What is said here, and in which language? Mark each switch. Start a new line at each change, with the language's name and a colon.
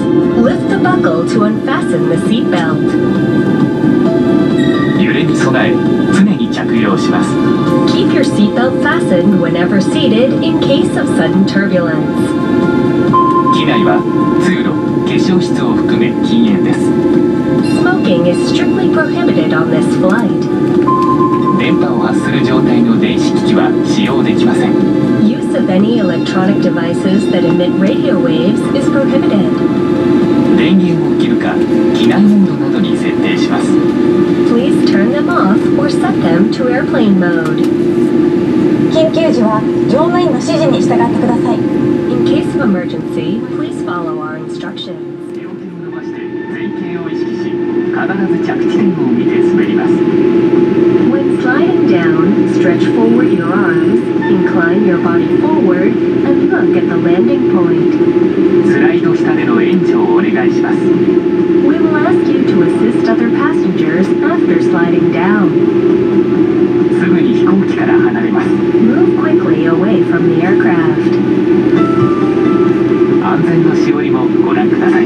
English: Lift the buckle to unfasten the seat belt.
Japanese: 揺れに備え、常に着用します。
English: Keep your seat belt fastened whenever seated in case of sudden turbulence.
Japanese: 機内は通路、化粧室を含め禁煙です。
English: Smoking is strictly prohibited on this flight.
Japanese: 電波を発する状態の電子機器は使用できません。
English: Of any electronic devices that emit radio waves is prohibited.
Japanese: 電源を切るか、機内モードなどに設定します。
English: Please turn them off or set them to airplane mode.
Japanese: 緊急時は乗務員の指示に従ってください。
English: In case of emergency, please follow our instructions.
Japanese: 両手を伸ばして前傾を意識し、必ず着地点を見て滑ります。
English: When sliding down, stretch forward your arms. Incline your body forward and look at the landing point.
Japanese: スライド下での援助をお願いします。
English: We will ask you to assist other passengers after sliding down.
Japanese: すぐに飛行機から離れます。
English: Move quickly away from the aircraft.
Japanese: 安全のしおりもご覧ください。